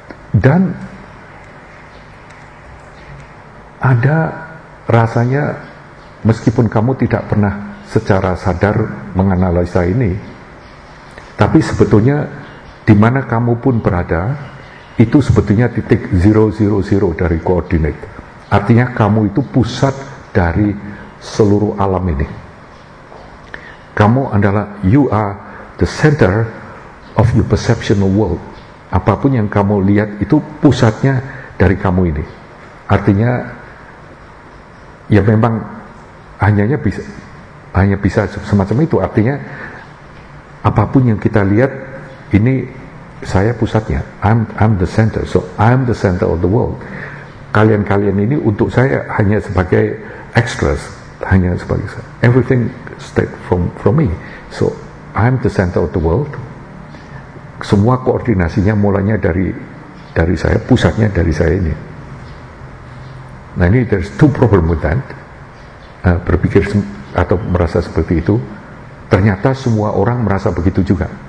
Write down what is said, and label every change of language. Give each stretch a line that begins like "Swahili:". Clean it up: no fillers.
Indonesian: Dan ada rasanya, meskipun kamu tidak pernah secara sadar menganalisa ini, tapi sebetulnya di mana kamu pun berada, itu sebetulnya titik 000 dari koordinat. Artinya kamu itu pusat dari seluruh alam ini. Kamu adalah,
English: you are the center of your perceptional world.
Indonesian: Apapun yang kamu lihat itu pusatnya dari kamu ini. Artinya ya memang hanya bisa semacam itu. Artinya apapun yang kita lihat ini saya pusatnya.
English: I'm the center. So I'm the center of the world.
Indonesian: Kalian-kalian ini untuk saya hanya sebagai extras, hanya sebagai saya.
English: Everything start from me. So I'm the center of the world.
Indonesian: Semua koordinasinya mulanya dari saya, pusatnya dari saya ini. Nah ini
English: there's two problem with that.
Indonesian: Berpikir atau merasa seperti itu, ternyata semua orang merasa begitu juga.